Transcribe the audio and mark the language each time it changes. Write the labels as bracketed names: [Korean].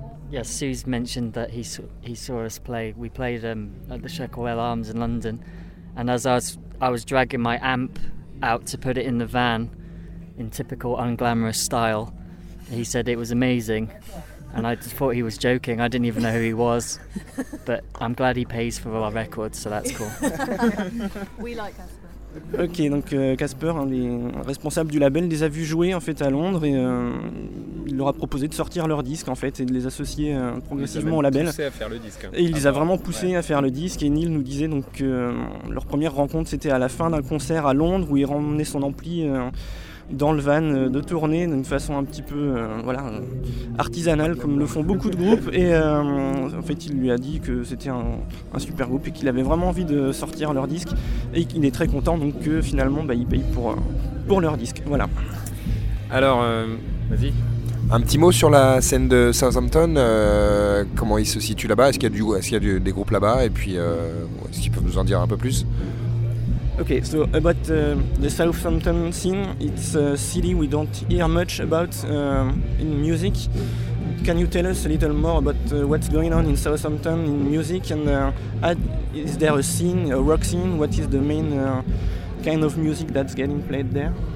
[English] Yes, Sue's mentioned that he saw us play. We played at the Shacklewell Arms in London, and as I was dragging my amp out to put it in the van, in typical unglamorous style, he said it was amazing, and I just thought he was joking. I didn't even know who he was, but I'm glad he pays for all our records, so that's cool. We like us. [French] Ok, donc Casper, responsable du label, les a vus jouer en fait à Londres et il leur a proposé de sortir leur disque en fait et de les associer progressivement au label. Ils les ont poussé à faire le disque. Et il les a vraiment poussé à faire le disque. Et Neil nous disait donc que leur première rencontre c'était à la fin d'un concert à Londres où il ramenait son ampli dans le van de tournée d'une façon un petit peu artisanale comme le font beaucoup de groupes. Et en fait il lui a dit que c'était un super groupe et qu'il avait vraiment envie de sortir leur disque et qu'il est très content donc que finalement il paye pour leur disque. Voilà. Alors vas-y. Un petit mot sur la scène de Southampton, comment il se situe là-bas, est-ce qu'il y a des groupes là-bas et puis est-ce qu'ils peuvent nous en dire un peu plus? [English] Okay, so about the Southampton scene, it's a city we don't hear much about in music. Can you tell us a little more about what's going on in Southampton in music, and is there a scene, a rock scene? What is the main kind of music that's getting played there?